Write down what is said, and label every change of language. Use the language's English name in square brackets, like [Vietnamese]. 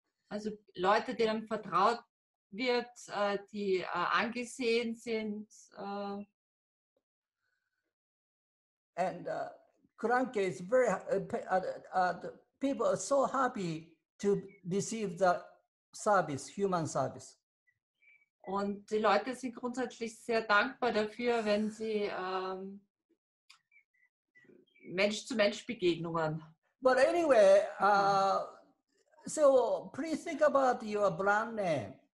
[German] Also Leute, denen vertraut wird, die angesehen sind. [English] And Kranke is very the people are so happy to receive the service, human service. [German] Und die Leute sind grundsätzlich sehr dankbar dafür, wenn sie Mensch-zu-Mensch-Begegnungen. [English] But anyway, so please think about your brand name.